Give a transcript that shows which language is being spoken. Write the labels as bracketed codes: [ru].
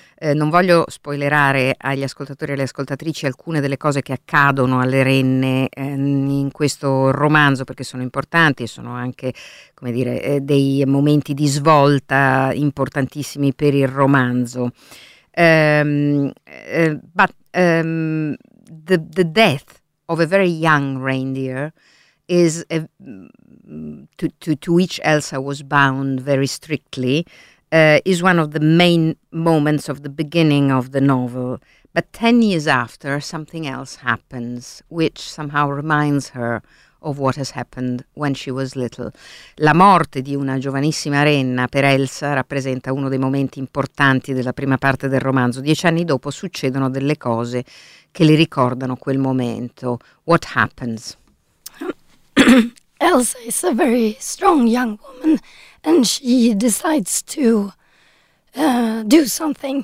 [it] Non voglio spoilerare agli ascoltatori e alle ascoltatrici alcune delle cose che accadono alle renne in questo romanzo, perché sono importanti e sono anche, come dire, dei momenti di svolta importantissimi per il romanzo. But [en] the death of a very young reindeer is a, to which Elsa was bound very strictly, is one of the main moments of the beginning of the novel. But 10 years after, something else happens, which somehow reminds her of what has happened when she was little. [it] La morte di una giovanissima renna per Elsa rappresenta uno dei momenti importanti della prima parte del romanzo. 10 anni dopo succedono delle cose che le ricordano quel momento. [en] What happens? Elsa is a very strong young woman and she decides to do something.